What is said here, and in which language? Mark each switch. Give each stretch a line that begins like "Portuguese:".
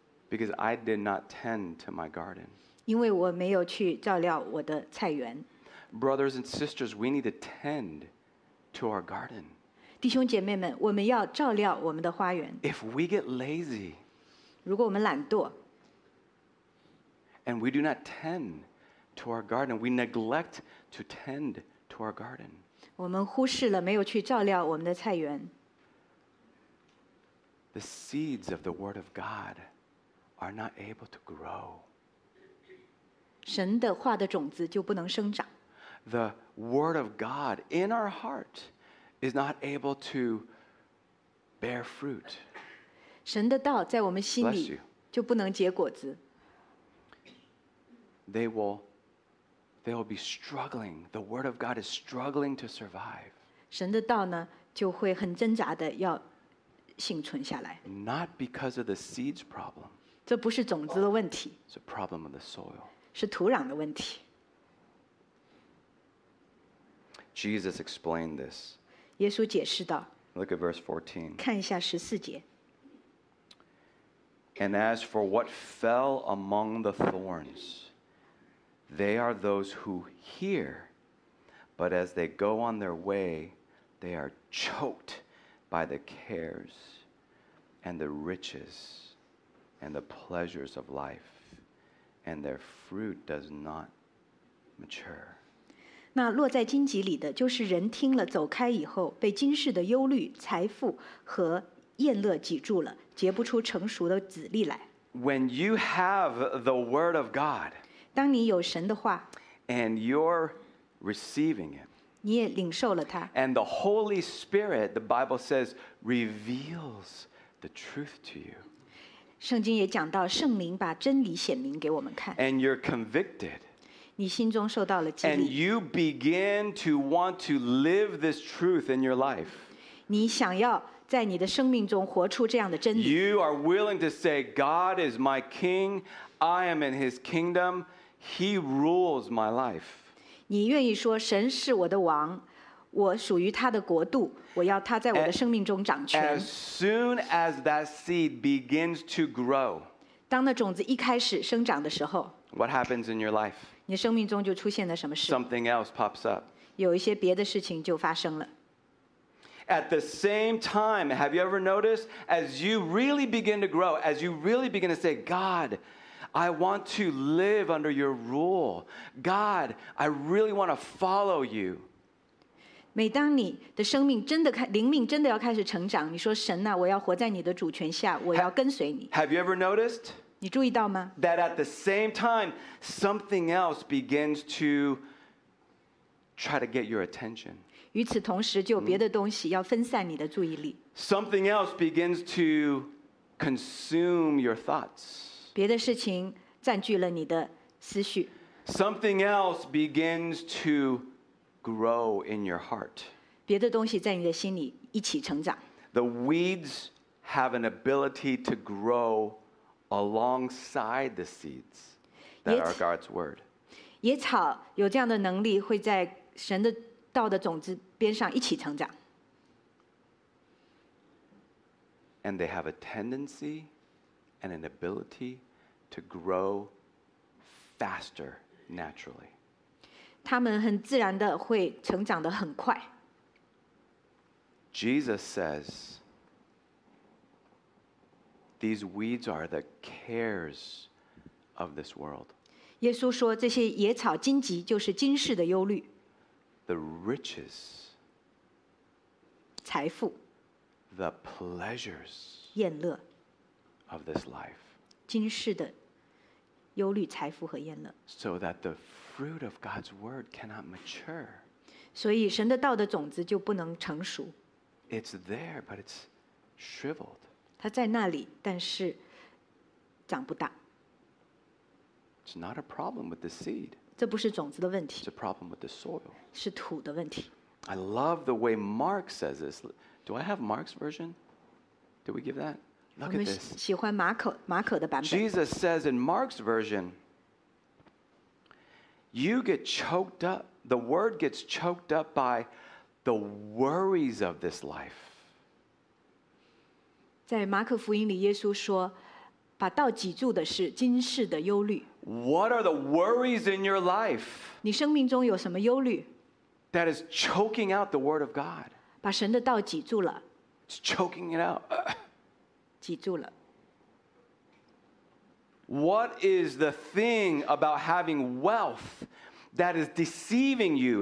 English: Because I did not tend to my garden.
Chinese: 因为我没有去照料我的菜园。
English: Brothers and sisters, we need to tend. To our garden.
Chinese: 弟兄姐妹们，我们要照料我们的花园。
English: If we get lazy,
Chinese: 如果我们懒惰
English: and we do not tend to our garden, we neglect to tend to our garden.
Chinese: 我们忽视了没有去照料我们的菜园。
English: The seeds of the Word of God are not able to grow.
Chinese: 神的话的种子就不能生长。
English: The word of God in our heart is not able to bear fruit.
Chinese: 神的道在我们心里就不能结果子。
English: They will be struggling. The word of God is struggling to survive.
Chinese: 神的道呢就会很挣扎的要幸存下来。
English: Not because of the seeds problem.
Chinese: 这不是种子的问题。
English: It's a problem of the soil.
Chinese: 是土壤的问题。
English: Jesus explained this.
Chinese: 耶稣解释道。
English: Look at verse 14.
Chinese: 看一下十四节。
English: And as for what fell among the thorns, they are those who hear, but as they go on their way, they are choked by the cares and the riches and the pleasures of life, and their fruit does not mature.
Chinese: 那落在荆棘里的就是人听了走开以后被今世的忧虑财富和宴乐挤住了结不出成熟的籽粒来。
English: When you have the word of God,
Chinese: 当你有神的话
English: and you're receiving it,
Chinese: 你也领受了它
English: and the Holy Spirit, the Bible says, reveals the truth to you.
Chinese: 圣经也讲到圣灵把真理显明给我们看
English: and you're convicted,
Chinese: 你心中受到了激励
English: and you begin to want to live this truth in your life.
Chinese: 你想要在你的生命中活出这样的真理。
English: You are willing to say, God is my king, I am in his kingdom, he rules my life.
Chinese: 你愿意说神是我的王，我属于他的国度，我要他在我的生命中掌权。
English: As soon as that seed begins to grow,
Chinese: 当那种子一开始生长的时候，
English: what happens in your life?
Chinese: 你生命中就出现了什么事？
English: Something else pops up.
Chinese: 有一些别的事情就发生了。
English: At the same time, have you ever noticed, as you really begin to grow, as you really begin to say, God, I want to live under your rule. God, I really want to follow you.
Chinese: 每当你的生命真的开，灵命真的要开始成长，你说神啊，我要活在你的主权下，我要跟随你。
English: Have you ever noticed?
Chinese: 你注意到吗？
English: That at the same time, something else begins to try to get your attention.
Chinese: 与此同时，就有别的东西要分散你的注意力。
English: Something else begins to consume your thoughts.
Chinese: 别的事情占据了你的思绪。
English: Something else begins to grow in your heart.
Chinese: 别的东西在你的心里一起成长。
English: The weeds have an ability to grow alongside the seeds that are God's word.
Chinese: 野草有这样的能力，会在神的道的种子边上一起成长。
English: And they have a tendency and an ability to grow faster naturally.
Chinese: 他们很自然的会成长得很快。
English: Jesus says, these weeds are the cares of this world.
Chinese: 耶稣说这些野草荆棘就是今世的忧虑。
English: The riches,
Chinese: 财富,
English: the pleasures,
Chinese: 厌乐,
English: of this life,
Chinese: 今世的忧虑、财富和厌乐,
English: so that the fruit of God's word cannot mature.
Chinese: 所以神的道的种子就不能成熟。
English: It's there, but it's shriveled.
Chinese: 它在那里，但是长不大。
English: It's not a problem with the seed.
Chinese: 这不是种子的问题。
English: It's a problem with the soil.
Chinese: 是土的问题。
English: I love the way Mark says this. Do I have Mark's version? Do we give that? Look at this.
Chinese: 我们喜欢马可的版本。
English: Jesus says in Mark's version, you get choked up, the word gets choked up by the worries of this life.
Chinese: 在马可福音里耶稣说把道挤住的是今世的忧虑。
English: What are the worries in your life?
Chinese: 你生命中有什么忧虑?
English: That is choking out the word of God.
Chinese: 把神的道挤住了。
English: It's choking it out.
Chinese: 挤住了。
English: What is the thing about having wealth that is deceiving you?